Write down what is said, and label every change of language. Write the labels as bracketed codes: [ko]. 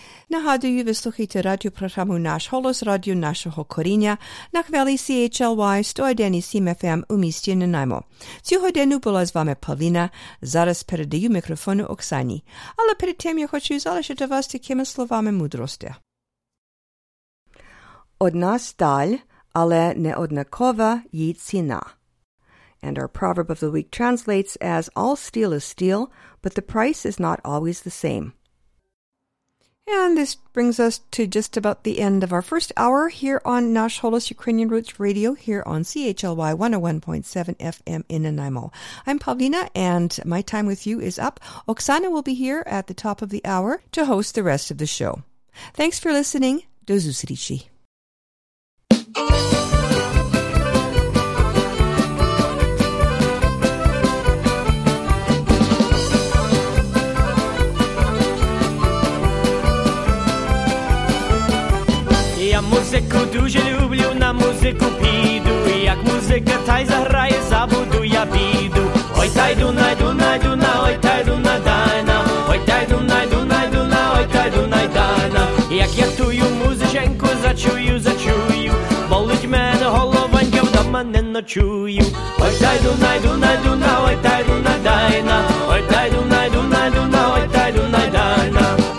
[uk] Нагадую, ви слухаєте радіопрограму «Наш голос» радіо нашого коріння на хвилі CHLY 101.7 FM у місті Нанаймо. Цю годину була з вами Павліна. Зараз передаю мікрофону Оксані. Але перед тим я хочу залишити вас такими словами мудрості. Одна сталь, але неоднакова її ціна. [en] And our proverb of the week translates as all steel is steel, but the price is not always the same. And this brings us to just about the end of our first hour here on Nash Holos Ukrainian Roots Radio here on CHLY 101.7 FM in Nanaimo. I'm Pavlina, and my time with you is up. Oksana will be here at the top of the hour to host the rest of the show. Thanks for listening. Do zusrichi. [uk] Музику дуже люблю, на музику піду. Як музика та й заграє, забуду я біду. Ой, тай Дунай, Дунай, Дуна, ой, тай Дунай, Дайна. Ой, тай Дунай, Дунай, Дуна, ой, тай Дунай, Дайна. Як я тую музиченьку, зачую, зачую. Болить мене головонька, вдома не ночую. Ой, тай Дунай, Дунай, Дуна, ой, тай Дунай, Дайна. Ой, тай Дунай, Дунай, Дуна, ой, тай Дунай, Дайна.